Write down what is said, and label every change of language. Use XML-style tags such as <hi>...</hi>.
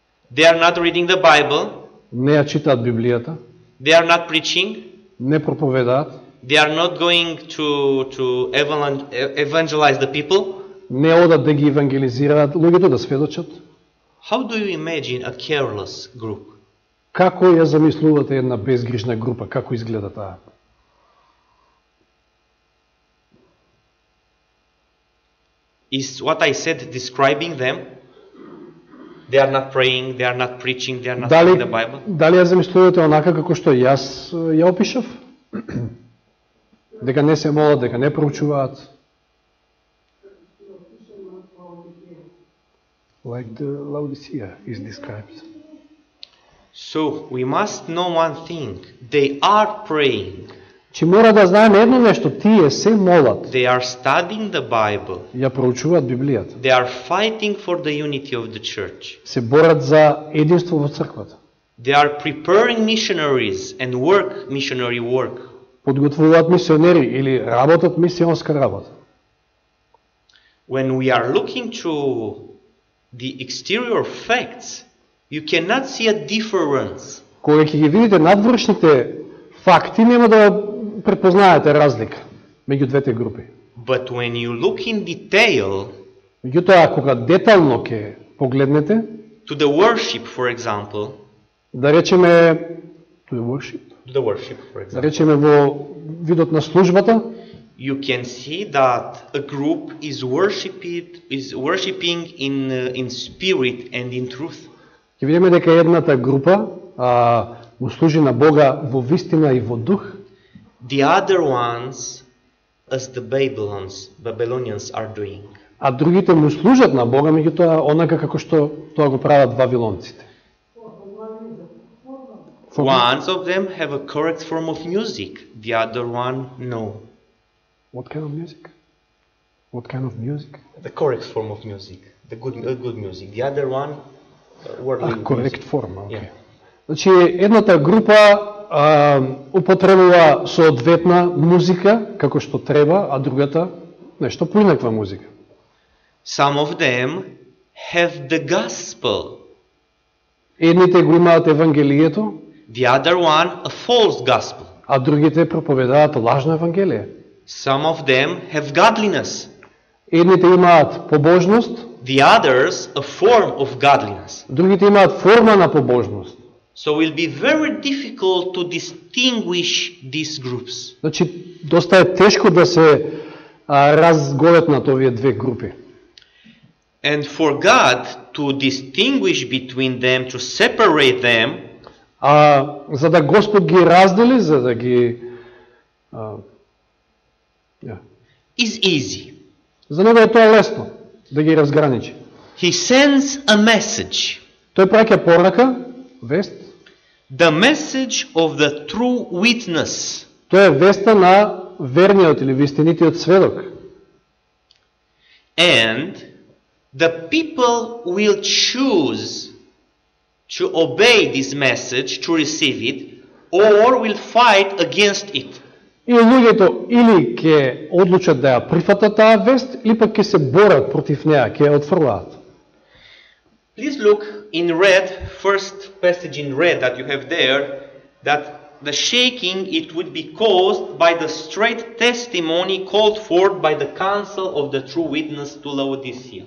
<en>They are not reading the Bible.</en> <mk>Не ја читаат Библијата.</mk> <en>They are not preaching.</en> <mk>Не проповедаат.</mk> <en>They are not going to evangelize the people.</en> <mk>Не одат да ги евангелизираат луѓето, да сведочат.</mk> <en>How do you imagine a careless group?</en> <mk>Како ја замислувате една безгрижна група? Како изгледа таа?</mk> <en>Is what I said describing them? They are not praying, they are not preaching, they are not reading the Bible.</en> <mk>Дали ја замислувате онака како што јас ја опишав? Дека не се молат, дека не проучуваат.</mk> <en>Like the Laodicea is described. So, we must know one thing. They are praying.</en> <mk>Чи мора да знаеме едно нешто, тие се молат.</mk> <en>They are studying the Bible.</en> <mk>Ја проучуваат Библијата.</mk> <en>They are fighting for the unity of the church.</en> <mk>Се борат за единство во црквата.</mk> <en>They are preparing missionaries and work missionary work.</en> <mk>Подготвуваат мисионери или работат мисионска работа.</mk> <en>When we are looking to the exterior facts, you cannot see a difference.</en> <mk>Кога ќе ги видите надворешните факти, нема да препознаете разлика меѓу двете групи.</mk> <en>But when you look in detail,</en> <mk>меѓутоа кога детално ќе погледнете,</mk> <en>to the worship for example,</en> <mk>да речеме</mk> <en>to the worship,</en> <mk>да речеме во видот на службата,</mk> <en>you can see that a group is worshiping in spirit and in truth.</en> <mk>Ќе видиме дека едната група му служи на Бога во вистина и во дух.</mk> <en>The other ones as the Babylonians are doing.</en> <mk>А другите му служат на Бога, меѓутоа онака како што тоа го прават вавилонците.</mk> <en>One of them have a correct form of music, the other one no. What kind of music? What kind of music? The correct form of music, the good music. The other one worldly music. Correct form, okay. Yeah.</en> <mk>Значи едната група употребува соодветна музика како што треба, а другата нешто поинаква музика.</mk> <en>Some of them have the gospel.</en> <mk>Едните го имаат евангелието.</mk> <en>The other one a false gospel.</en> <mk>А другите проповедуваат лажно евангелие.</mk> <en>Some of them have godliness.</en> <mk>Едните имаат побожност.</mk> <en>The others a form of godliness.</en> <mk>Другите имаат форма на побожност.</mk> <en>So it will be very difficult to distinguish these groups.</en> <mk>Значи доста е тешко да се разголетнат овие две групи.</mk> <en>And for God to distinguish between them, to separate them,</en> <mk>А за да Господ ги раздели, за да ги</mk> <en>is easy.</en> <mk>За него е тоа лесно да ги разграничи.</mk> <en>He sends a message.</en> <mk>Тој праќа порака, вест.</mk> <en>The message of the true witness.</en> <mk>Тоа е веста на верниот или вистинитиот сведок.</mk> <en>And the people will choose to obey this message, to receive it, or will fight against it.</en> <mk>И луѓето или ќе одлучат да ја прифатат таа вест, или пак ќе се борат против неа, ќе ја отфрлаат.</mk> <en>Please look in red, first passage in red that you have there, that the shaking it would be caused by the straight testimony called forth by the counsel of the true witness to Laodicea.</en>